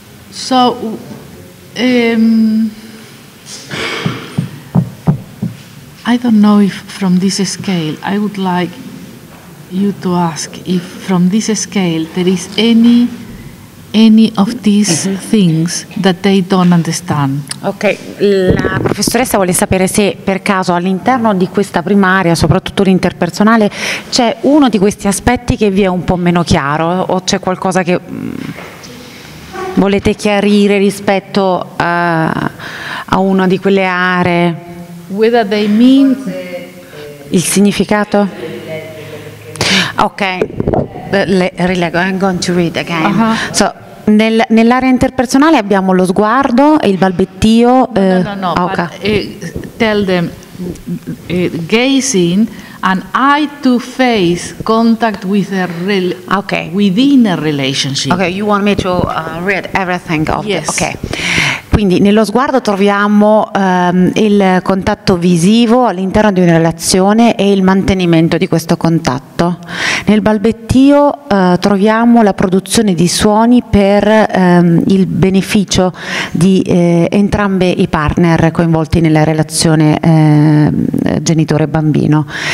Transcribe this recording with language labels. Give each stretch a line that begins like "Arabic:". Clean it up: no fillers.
English: So, I don't know if from this scale, I would like you to ask if from this scale there is any of these things that they don't understand.
Italian: Ok, la professoressa vuole sapere se per caso all'interno di questa prima area, soprattutto l'interpersonale, c'è uno di questi aspetti che vi è un po' meno chiaro o c'è qualcosa che volete chiarire rispetto a una di quelle aree.
English: Whether they mean
Italian: il significato? Ok, rileggo.
English: I'm going to read again.
Italian: So, nell'area interpersonale abbiamo lo sguardo e il balbettio.
English: No, no, no, no, okay. But, tell them gazing an eye to face contact with a within a relationship. Okay, you want me to read everything of yes. Okay.
Italian: Quindi nello sguardo troviamo il contatto visivo all'interno di una relazione e il mantenimento di questo contatto. Nel balbettio troviamo la produzione di suoni per il beneficio di entrambe i partner coinvolti nella relazione genitore-bambino.